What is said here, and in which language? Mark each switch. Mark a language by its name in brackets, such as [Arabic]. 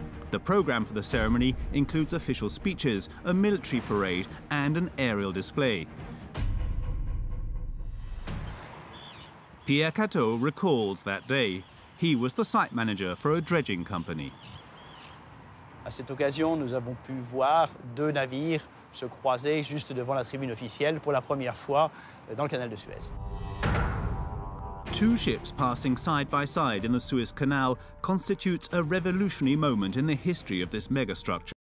[English] The program for the ceremony includes official speeches, a military parade, and an aerial display. Pierre Cateau recalls that day. He was the site manager for a dredging company. [French] À cette occasion, nous avons pu voir deux navires se croiser juste devant la tribune officielle pour la première fois dans le canal de Suez. [English] Two ships passing side by side in the Suez Canal constitutes a revolutionary moment in the history of this megastructure.